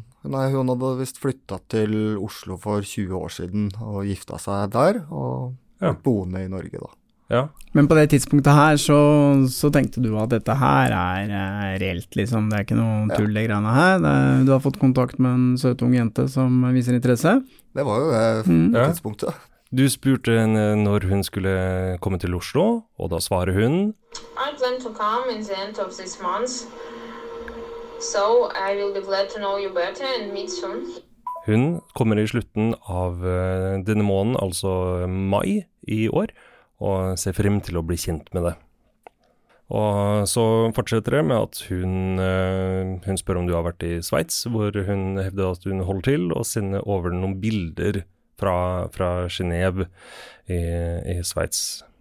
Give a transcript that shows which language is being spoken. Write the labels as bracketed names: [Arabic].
[Norwegian] Nei, hun hadde vist flyttet til Oslo for 20 år siden og gifta seg der og boende i Norge da. Ja. Men på det tidspunktet her så tenkte du at dette her er reelt liksom, det er ikke noe tull det greiene her, du har fått kontakt med en søt ung jente som viser interesse. Det var jo det tidspunktet. Ja. Du spurte henne når hun skulle komme til Oslo, og da svarer hun: [English] I plan to come in the end of this month, so I will be glad to know you better and meet soon. [Norwegian] Hun kommer i slutten av denne måneden, altså mai i år, og ser frem til å bli kjent med det. Og så fortsetter det med at hun spør om du har vært i Schweiz, hvor hun hevder at hun holder til, og sender over noen bilder fra Genève i Schweiz.